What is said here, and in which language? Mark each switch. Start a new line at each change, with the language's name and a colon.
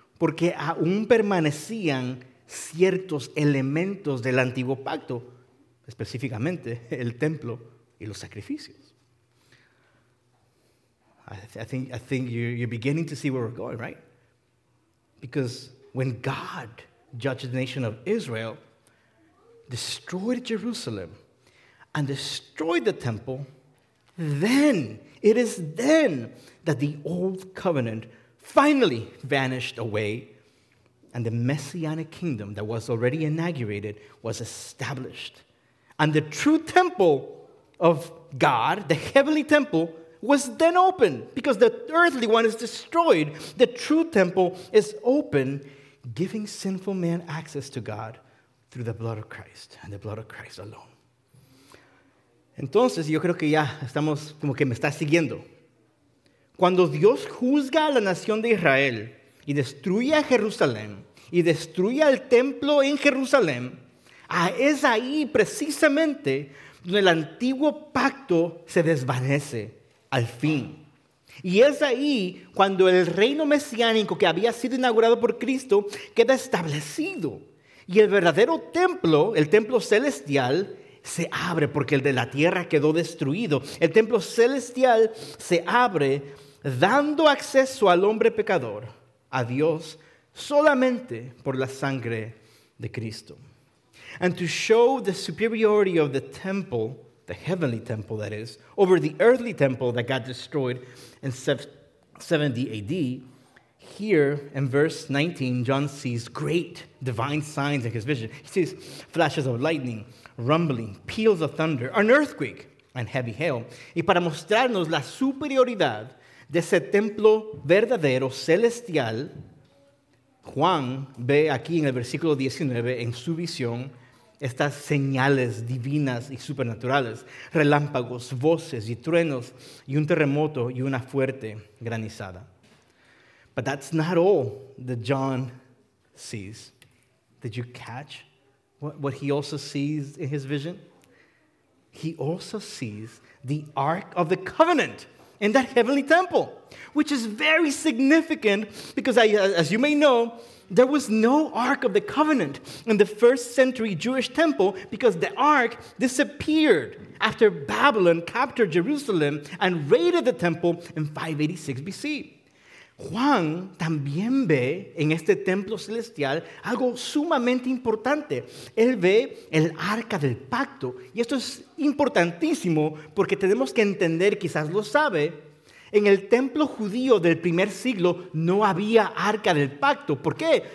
Spanish: Porque aún permanecían ciertos elementos del antiguo pacto, específicamente el templo y los sacrificios.
English: I think you're beginning to see where we're going, right? Because when God judged the nation of Israel, destroyed Jerusalem, and destroyed the temple, then, it is then that the old covenant finally vanished away and the messianic kingdom that was already inaugurated was established. And the true temple of God, the heavenly temple, was then opened because the earthly one is destroyed. The true temple is open, giving sinful man access to God through the blood of Christ and the blood of Christ alone.
Spanish: Entonces, yo creo que ya estamos, como que me está siguiendo. Cuando Dios juzga a la nación de Israel y destruye a Jerusalén y destruye al templo en Jerusalén, es ahí precisamente donde el antiguo pacto se desvanece al fin. Y es ahí cuando el reino mesiánico que había sido inaugurado por Cristo queda establecido. Y el verdadero templo, el templo celestial, se abre porque el de la tierra quedó destruido. El templo celestial se abre dando acceso al hombre pecador, a Dios, solamente por la sangre de Cristo.
English: And to show the superiority of the temple, the heavenly temple that is, over the earthly temple that got destroyed in 70 AD, here in verse 19, John sees great divine signs in his vision. He sees flashes of lightning, rumbling, peals of thunder, an earthquake, and heavy hail.
Spanish: Y para mostrarnos la superioridad de ese templo verdadero, celestial, Juan ve aquí en el versículo 19, en su visión, estas señales divinas y supernaturales, relámpagos, voces y truenos, y un terremoto y una fuerte granizada.
English: But that's not all that John sees. Did you catch what he also sees in his vision? He also sees the Ark of the Covenant in that heavenly temple, which is very significant because, as you may know, there was no Ark of the Covenant in the first century Jewish temple because the Ark disappeared after Babylon captured Jerusalem and raided the temple in 586 BC.
Spanish: Juan también ve en este templo celestial algo sumamente importante. Él ve el arca del pacto. Y esto es importantísimo porque tenemos que entender, quizás lo sabe, en el templo judío del primer siglo no había arca del pacto. ¿Por qué?